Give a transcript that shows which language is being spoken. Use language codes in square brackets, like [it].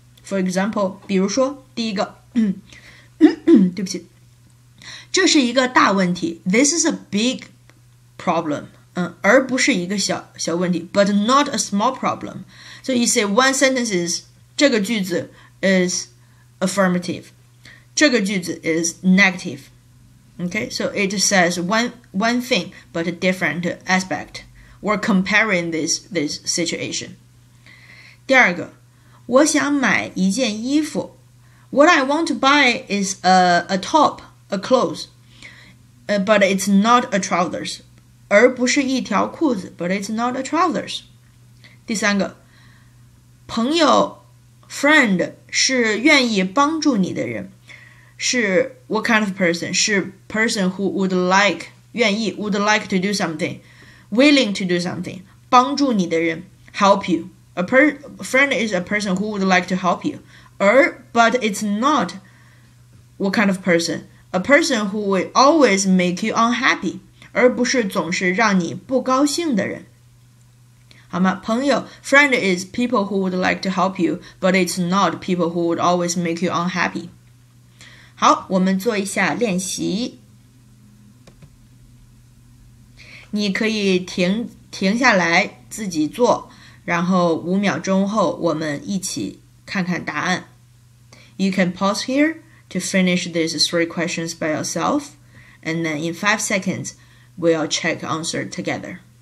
[en] For example, [zh] 比如说第一个对不起这是一个大问题 [en] This is a big problem, [zh] 而不是一个小问题 [en] but not a small problem. So you say one sentence is, [zh] 这个句子 [en] is affirmative. [zh] 这个句子 [en] is negative. Okay, so it says one thing, but a different aspect. We're comparing this situation. [zh] 第二个，我想买一件衣服。 [en] What I want to buy is a top, a clothes, but it's not a trousers. [zh] 而不是一条裤子 [en] but it's not a trousers. [zh] 第三个，朋友 friend 是愿意帮助你的人。 [en] 是 what kind of person? 是 person who would like, 愿意 would like to do something, willing to do something, [zh] 帮助你的人 [en] help you. A friend is a person who would like to help you. But it's not what kind of person? A person who will always make you unhappy, [zh] 而不是总是让你不高兴的人。好吗朋友 [en] friend is people who would like to help you, but it's not people who would always make you unhappy. [zh] 好我们做一下练习。你可以停下来自己做然后5秒钟后我们一起看看答案。 [en] You can pause here to finish these 3 questions by yourself, and then in 5 seconds, we'll check answer together.